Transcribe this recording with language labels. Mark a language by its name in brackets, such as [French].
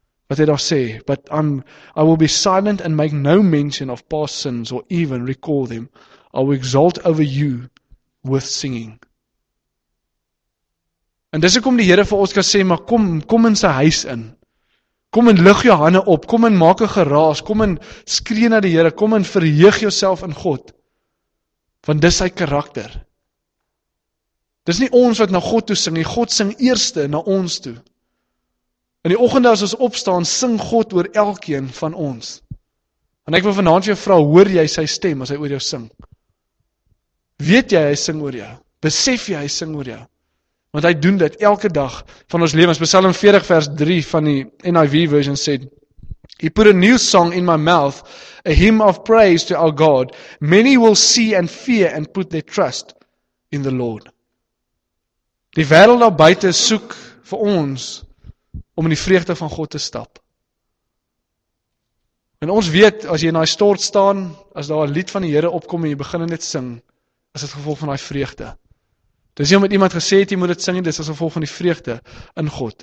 [Afrikaans] Wat hy daar sê, [English] but I will be silent and make no mention of past sins or even recall them. I will exalt over you with singing. [Afrikaans] En dis hoekom die Here vir ons kan sê, maar kom in sy huis in. Kom en lig jou hande op, kom en maak 'n geraas, kom en skree na die Here, kom en verheug jouself in God. Want dis sy karakter. Dis nie ons wat na God toe sing nie, God sing eerste na ons toe. In die oggende as ons opstaan, sing God oor elkeen van ons. En ek wil vanaand vir jou vra, hoor jy sy stem as hy oor jou sing? Weet jy hy sing oor jou? Besef jy hy sing oor jou? Want hy doen dit elke dag van ons lewens. Psalm 40 vers 3 van die NIV version sê, [English] He put a new song in my mouth, a hymn of praise to our God. Many will see and fear and put their trust in the Lord. [Afrikaans] Die wêreld daar buite soek vir ons om in die vreugde van God te stap. En ons weet, as jy in daai stort staan, as daar 'n lied van die Here opkom en jy begin net sing, is dit gevolg van daai vreugde. Dis nie omdat iemand gesê het jy moet dit sing nie, dis as gevolg van die vreugde in God.